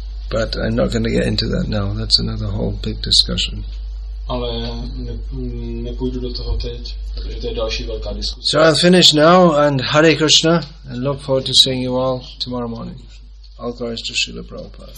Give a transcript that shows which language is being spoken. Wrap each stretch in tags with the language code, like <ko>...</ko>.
<en>But I'm not going to get into that now, that's another whole big discussion.</en> <cs>Ale nepůjdu do toho teď, protože to je další velká diskuse.</cs> <en>So I'll finish now and Hare Krishna and look forward to seeing you all tomorrow morning. All glories to Srila Prabhupada.</en>